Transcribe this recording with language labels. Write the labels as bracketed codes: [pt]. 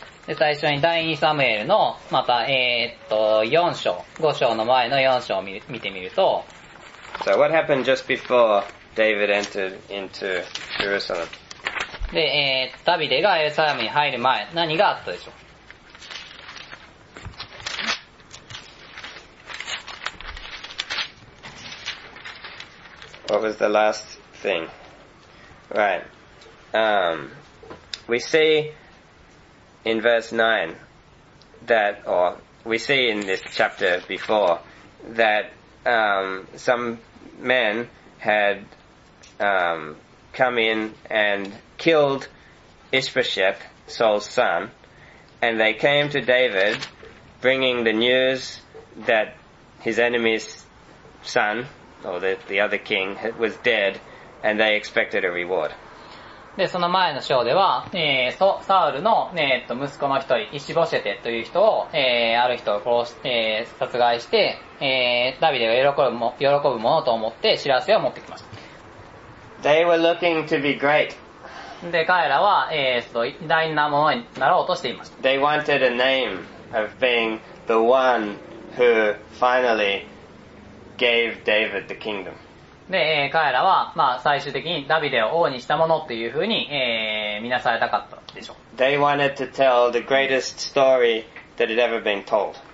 [ja] で最初に第2サムエルの、また、4章、5章の前の4章を見てみると。 [en] So what happened just before David entered into Jerusalem? [ja] で、ダビデがエルサレムに入る前、何があったでしょう。 [en] What was the last thing? Right. We see in verse 9 that, or we see in this chapter before, that some men had come in and killed Ishbosheth, Saul's son, and they came to David bringing the news that his enemy's son, or the other king, was dead, and they expected a reward. [ja] で、その前の章では、サウルの、息子の一人、イシボシェテという人を、ある人を殺し、殺害して、ダビデが喜ぶものと思って知らせを持ってきました。 [en] They were looking to be great. [ja] で、彼らは、偉大なものになろうとしていました。 [en] They wanted a name of being the one who finally gave David the kingdom. [ja] で、彼らは、まあ、最終的にダビデを王にしたものっていうふうに、見なされたかったでしょう。 [en] They wanted to tell the greatest story that had ever been told.